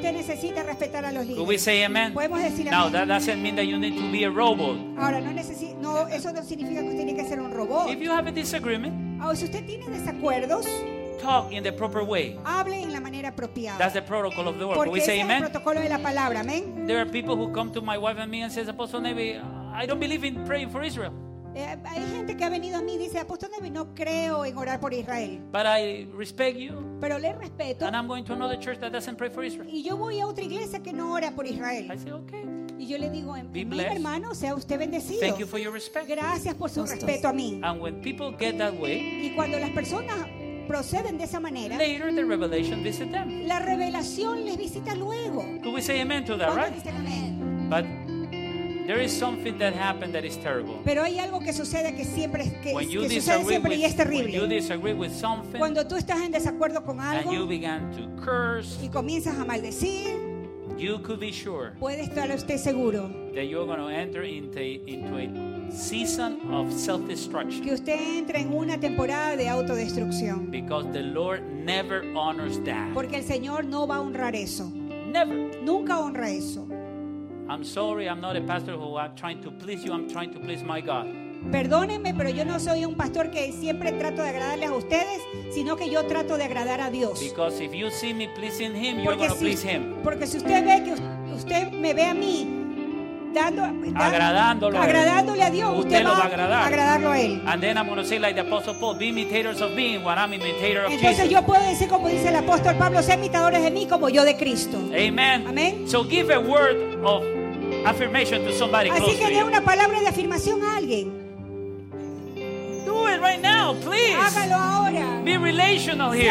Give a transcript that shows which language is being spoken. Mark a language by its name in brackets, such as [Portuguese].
[Spanish] Usted necesita respetar a los líderes. [English] Could we say amen? [Spanish] ¿Podemos decir amén? [English] Now, that doesn't mean that you need to be a robot. [Spanish] Ahora, no no, eso no significa que usted tiene que ser un robot. [English] If you have a disagreement, [Spanish] si usted tiene desacuerdos, [English] talk in the proper way. [Spanish] Hable en la manera apropiada. [English] That's the protocol of the word. [Spanish] Porque [English] Could we say [Spanish] es [English] amen? [Spanish] El protocolo de la palabra. ¿Amén? [English] There are people who come to my wife and me and says, Apostle Nevi, I don't believe in praying for Israel. [Spanish] Hay gente que ha venido a mí y dice, Apóstol Nevi, no creo en orar por Israel. [English] But I respect you. [Spanish] Pero le respeto. [English] And I'm going to another church that doesn't pray for Israel. [Spanish] Y yo voy a otra iglesia que no ora por Israel. [English] I say, okay. [Spanish] Y yo le digo, mi hermano, sea usted bendecido. [English] Thank you for your respect. [Spanish] Gracias por su respeto a mí. [English] And when people get that way, [Spanish] y cuando las personas proceden de esa manera, [English] later the revelation visits them. [Spanish] La revelación les visita luego. [English] Could we say amen to that, right? But there is something that happened that is terrible. [Spanish] Pero hay algo que sucede que siempre y es terrible. [English] When you disagree with something, [Spanish] cuando tú estás en desacuerdo con algo, [English] and you begin to curse, [Spanish] y comienzas a maldecir, [English] you could be sure, [Spanish] puede estar usted seguro, [English] that you're going to enter into a season of self-destruction. [Spanish] Que usted entra en una temporada de autodestrucción. [English] Because the Lord never honors that. [Spanish] Porque el Señor no va a honrar eso. [English] Never. [Spanish] Nunca honra eso. [English] I'm sorry, I'm not a pastor who I'm trying to please you, I'm trying to please my God. [Spanish] Perdónenme, pero yo no soy un pastor que siempre trato de agradarles a ustedes, sino que yo trato de agradar a Dios. [English] Because if you see me pleasing him, you're going to please him. [Spanish] Porque si usted ve que usted me ve a mí agradándole a Dios, usted va a agradar. Agradarlo a él. [English] And then I'm going to say like the apostle Paul, be imitators of me what I'm imitator of Jesus. [Spanish] Entonces yo puedo decir como dice el apóstol Pablo, sé imitadores de mí como yo de Cristo. Amen. Amen. [English] So give a word of affirmation to somebody. [Spanish] Así que dé una palabra de afirmación a alguien. [English] Do it right now, please. [Spanish] Hágalo ahora. [English] Be relational here.